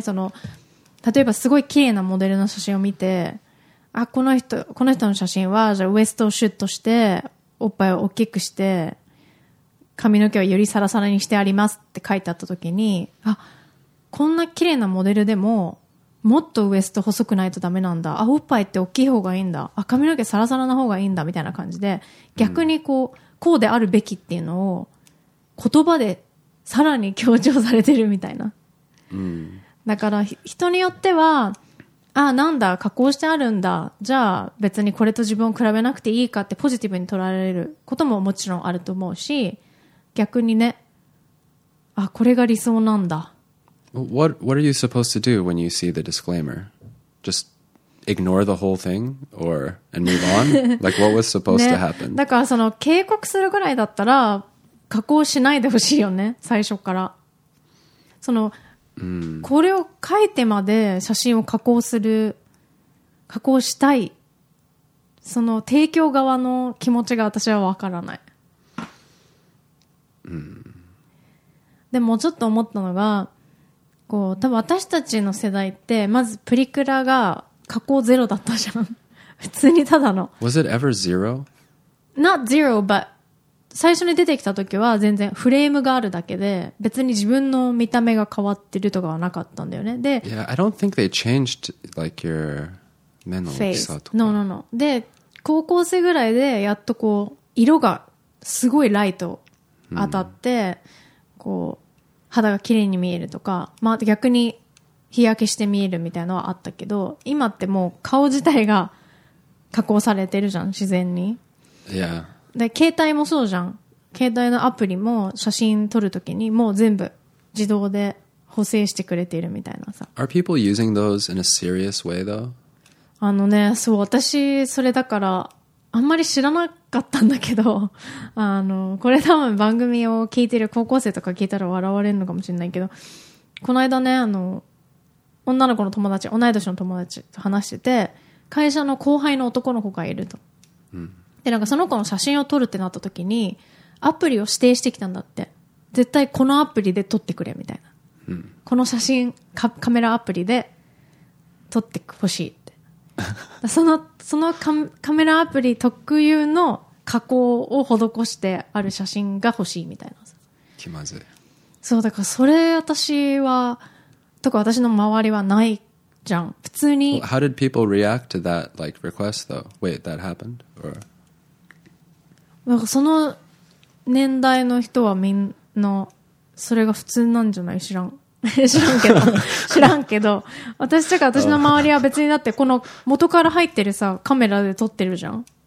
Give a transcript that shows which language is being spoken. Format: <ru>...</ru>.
<ja>その例えばすごい綺麗なモデルの写真を見て、あ、この人の写真はじゃあウエストをシュッとしておっぱいを大きくして髪の毛をよりサラサラにしてありますって書いてあった時に、あ、こんな綺麗なモデルでももっとウエスト細くないとダメなんだ、あ、おっぱいって大きい方がいいんだ、あ、髪の毛サラサラな方がいいんだみたいな感じで、逆にこう、うん、こうであるべきっていうのを言葉でさらに強調されてるみたいな、うん、だから人によっては、あ、なんだ加工してあるんだ、じゃあ別にこれと自分を比べなくていいかってポジティブに捉えられることももちろんあると思うし、逆にね、あ、これが理想なんだ。</ja> <en>What are you supposed to do when you see the disclaimer? Just ignore the whole thing or and move on? Like what was supposed 、</en> <ja>ね、</ja> <en>to happen?</en> <ja>だからその警告するぐらいだったら加工しないでほしいよね、最初から。その、 mm. これを書いてまで写真を加工する、加工したい、その提供側の気持ちが私はわからない。 Mm. でもちょっと思ったのが、こう多分私たちの世代ってまずプリクラが加工ゼロだったじゃん、普通にただの。</ja> <en>Was it ever zero? Not zero, but</en> <ja>最初に出てきた時は全然フレームがあるだけで、別に自分の見た目が変わってるとかはなかったんだよね。で、</ja> <en>Yeah, I don't think they changed like your</en> <ja>目の大きさとか。</ja> <en>No, no, no.</en> <ja>で、高校生ぐらいでやっとこう色がすごいライト当たって、hmm. こう肌が綺麗に見えるとか、まあ、逆に日焼けして見えるみたいなのはあったけど、今ってもう顔自体が加工されてるじゃん、自然に。いや。で、携帯もそうじゃん。携帯のアプリも写真撮るときにもう全部自動で補正してくれているみたいなさ。</ja> <en>Are people using those in a serious way though?</en> <ja>あのね、そう、私それだからあんまり知らなくて。かったんだけど、あのこれ多分番組を聞いてる高校生とか聞いたら笑われるのかもしれないけど、この間ね、あの女の子の友達、同い年の友達と話してて、会社の後輩の男の子がいると、うん、でなんかその子の写真を撮るってなった時にアプリを指定してきたんだって。絶対このアプリで撮ってくれみたいな、うん、この写真カメラアプリで撮ってほしいって。そのカメラアプリ特有の加工を施してある写真が欲しいみたいな。気まずい。そう、だからそれ私は、とか私の周りはないじゃん、普通に。</ja> <en>How did people react to that like request though? Wait, that happened? Or?</en> <ja>なんかその年代の人はみんなそれが普通なんじゃない、知らん。知らんけど私とか私の周りは別に、だってこの元から入ってるさカメラで撮ってるじゃん、</ja>